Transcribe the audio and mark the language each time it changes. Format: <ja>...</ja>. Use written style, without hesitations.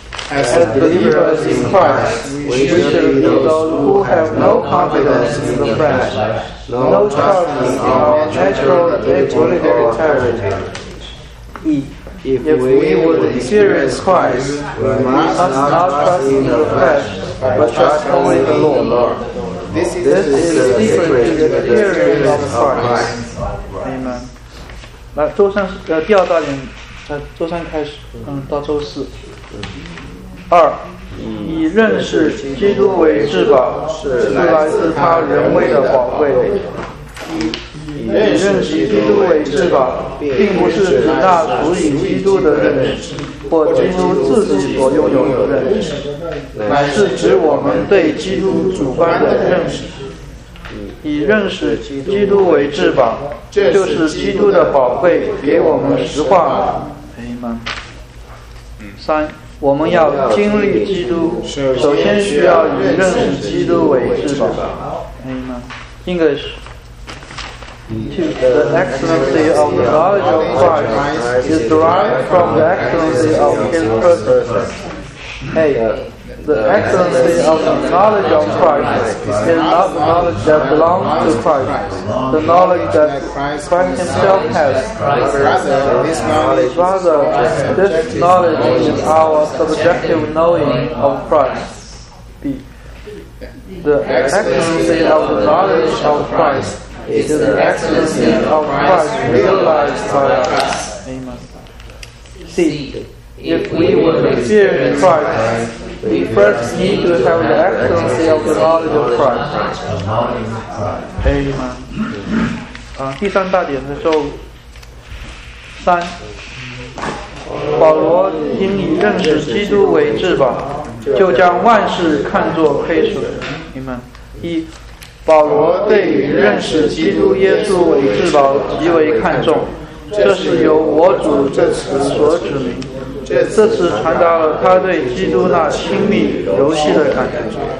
<en>As believers in Christ, we should be those who have no confidence in the flesh, no trust in our natural equilibrium territory. If we would experience Christ, we must not trust in the flesh, but trust only the Lord. This is the secret to the experience of Christ. Amen.</en> <zh>来，周三第二大点，周三开始，到周四。二，以认识基督为至宝，是来自他人为的宝贵。以认识基督为至宝，并不是指那属于基督的认识，或基督自己所拥有的认识，乃是指我们对基督主观的认识。以认识基督为至宝，就是基督的宝贵给我们实化了。 Amen. 三，我们要经历基督，首先需要以认识基督为至宝。</zh> <en>Amen. English. The excellency of the knowledge of Christ is derived from the excellency of His person. Hey, the excellency of the knowledge of Christ is not the knowledge that belongs to Christ. The knowledge that Christ Himself has, rather, this knowledge is our subjective knowing of Christ. B. The excellency of the knowledge of Christ is the excellency of Christ realized by us. Amen. C. If we would experience Christ, we first need to have the excellency of the knowledge of Christ. Amen.</en> <zh>第三大点的时候，三，保罗因以认识基督为至宝，就将万事看作亏损。你们，一，保罗对于认识基督耶稣为至宝极为看重，这是由我主这词所指明，这次传达了他对基督那亲密游戏的感觉。</zh>